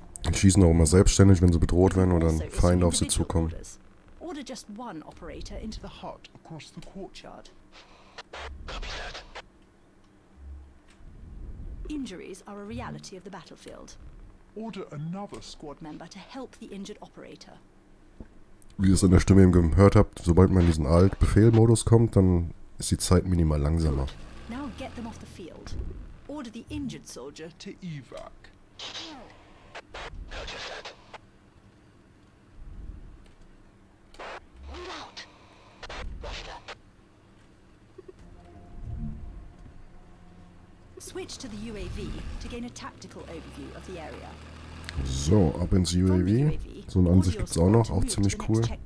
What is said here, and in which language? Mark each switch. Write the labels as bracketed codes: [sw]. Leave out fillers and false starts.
[de] Die schießen auch immer selbstständig, wenn sie bedroht werden oder ein Feind auf sie zukommt. [en] Order just one operator into the hut across the courtyard. Copy that. Injuries are a reality of the battlefield. Order another squad member to help the injured operator. [de] Wie ihr es in der Stimme eben gehört habt, sobald man in diesen Alt-Befehl-Modus kommt, dann ist die Zeit minimal langsamer. [en] Now get them off the field. Order the injured soldier to evac. Roger that. Switch to the UAV to gain a tactical overview of the area. [de] So, ab ins UAV. So eine Ansicht gibt's auch noch, auch ziemlich cool.